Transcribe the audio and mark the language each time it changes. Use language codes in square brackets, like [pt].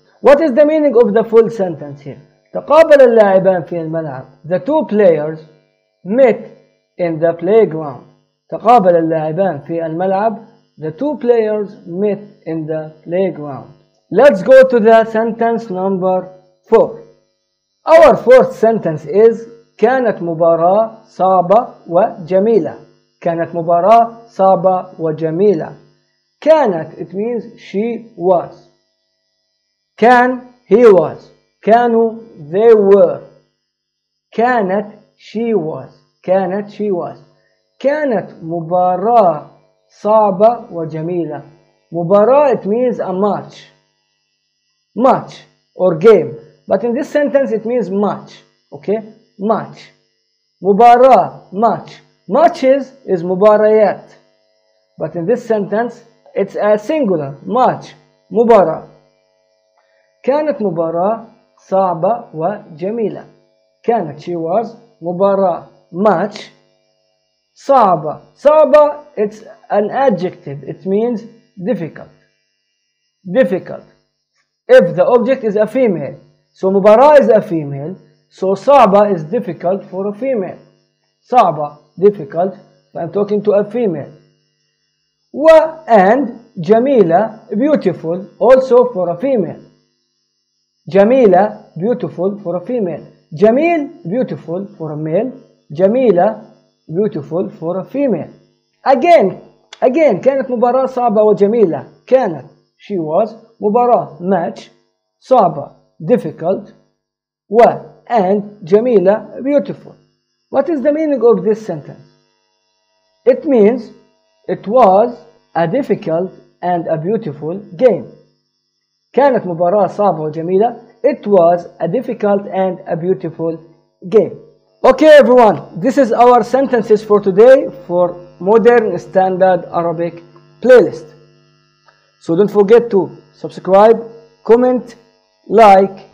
[en] What is the meaning of the full sentence here? [ar] تقابل اللاعبان في الملعب. [en] The two players met in the playground. [ar] تقابل اللاعبان في الملعب. [en] The two players met in the playground. Let's go to the sentence number 4. Our fourth sentence is [ar] كانت مباراة صعبة وجميلة. كانت مباراة صعبة وجميلة. [en] كانت it means she was. كان he was. كانوا they were. كانت she was. كانت she was. [ar] كانت مباراة صعبة وجميلة. [en] مباراة it means a match. Match or game. But in this sentence it means match. Okay? Match. مباراة match. Matches is مباريات. But in this sentence it's a singular match. [ar] مباراة. كانت مباراة صعبة وجميلة. [en] كانت she was مباراة match صعبة. صعبة it's an adjective. It means difficult. Difficult. If the object is a female. So مباراة is a female. So صعبة is difficult for a female. صعبة difficult. I'm talking to a female. And جميلة beautiful also for a female. جميلة beautiful for a female. جميل beautiful for a male. جميلة beautiful for a female. [ar] Again كانت مباراة صعبة وجميلة. [en] كانت she was مباراة match صعبة difficult and جميلة beautiful. What is the meaning of this sentence? It means it was a difficult and a beautiful game. [ar] كانت مباراة صعبة وجميلة. [en] It was a difficult and a beautiful game. Okay everyone, this is our sentences for today for Modern Standard Arabic playlist. So don't forget to subscribe, comment, like.